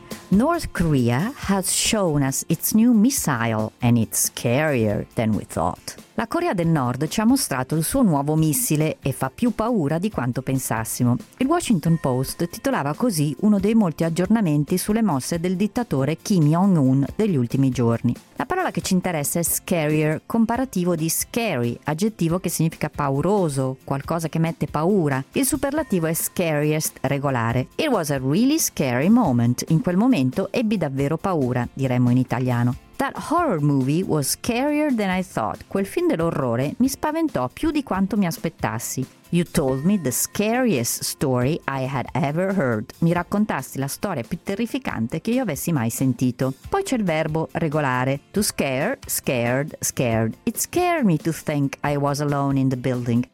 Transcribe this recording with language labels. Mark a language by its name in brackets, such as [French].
[English] North Korea has shown us its new missile and it's scarier than we thought. [Italian] La Corea del Nord ci ha mostrato il suo nuovo missile e fa più paura di quanto pensassimo. Il Washington Post titolava così uno dei molti aggiornamenti sulle mosse del dittatore Kim Jong-un degli ultimi giorni. La parola che ci interessa è scarier, comparativo di scary, aggettivo che significa pauroso, qualcosa che mette paura. Il superlativo è scariest, regolare. [English] It was a really scary moment. [Italian] In quel momento ebbi davvero paura, diremmo in italiano. [English] That horror movie was scarier than I thought. [Italian] Quel film dell'orrore mi spaventò più di quanto mi aspettassi. [English] You told me the scariest story I had ever heard. [Italian] Mi raccontasti la storia più terrificante che io avessi mai sentito. Poi c'è il verbo regolare. [English] To scare, scared, scared. It scared me to think I was alone in the building.